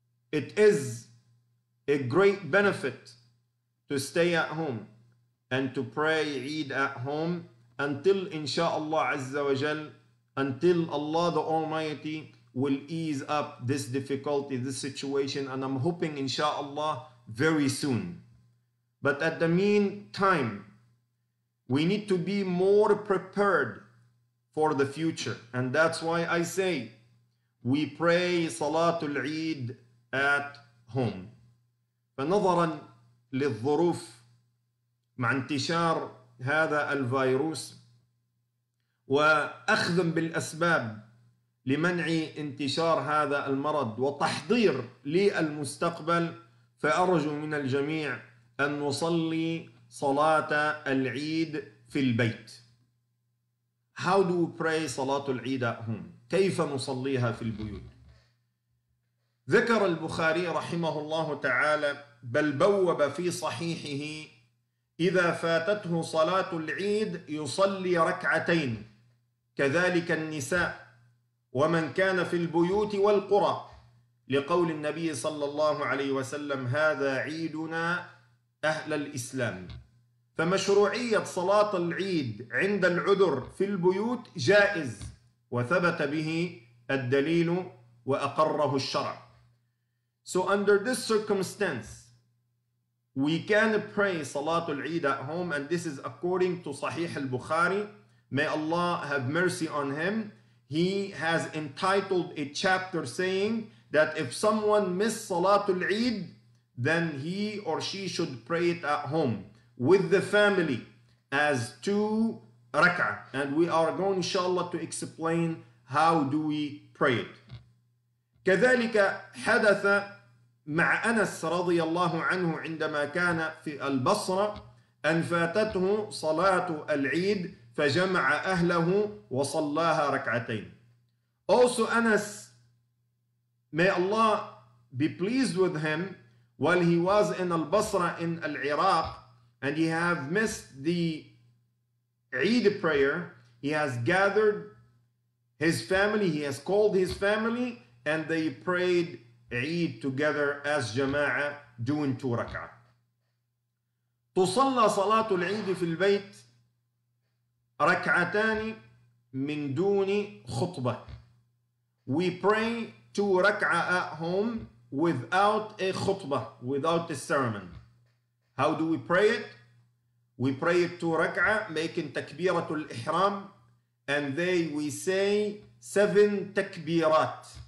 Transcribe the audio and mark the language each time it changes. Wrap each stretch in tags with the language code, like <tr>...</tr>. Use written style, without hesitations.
<en>it is a great benefit to stay at home and to pray Eid at home until inshallah azza wa jal until Allah the almighty will ease up this difficulty this situation and I'm hoping inshallah very soon but at the meantime we need to be more prepared for the future and that's why I say we pray salatul eid at home</en> <ar>فنظرا للظروف مع انتشار هذا الفيروس وأخذ بالأسباب لمنع انتشار هذا المرض وتحضير للمستقبل، فأرجو من الجميع أن نصلي صلاة العيد في البيت.</ar> <en>How do we pray صلاة العيد at home؟</en> <ar>كيف نصليها في البيوت؟ ذكر البخاري رحمه الله تعالى بل بوب في صحيحه إذا فاتته صلاة العيد يصلي ركعتين، كذلك النساء ومن كان في البيوت والقرى، لقول النبي صلى الله عليه وسلم هذا عيدنا أهل الإسلام. فمشروعية صلاة العيد عند العذر في البيوت جائز، وثبت به الدليل وأقره الشرع.</ar> <en>So under this circumstance, we can pray Salat al-Eid at home, and this is according to Sahih al-Bukhari. May Allah have mercy on him. He has entitled a chapter saying that if someone missed Salat al-Eid, then he or she should pray it at home with the family as two rak'ah. And we are going, inshallah, to explain how do we pray it.</en> <ar>كذلك حدث مع أنس رضي الله عنه عندما كان في البصرة أن فاتته صلاة العيد فجمع أهله وصلاها ركعتين.</ar> <en>Also Anas, may Allah be pleased with him, while he was in al-Basra in al-Iraq and he have missed the Eid prayer, he has gathered his family, he has called his family, and they prayed Eid together as jama'ah doing two rak'ah.</en> <ar>تصلى صلاة العيد في البيت ركعتان من دون خطبة.</ar> <en>We pray two rak'ah at home without a khutbah, without a sermon. How do we pray it? We pray it two rak'ah, making takbiratul ihram, and they we say seven takbirat.</en>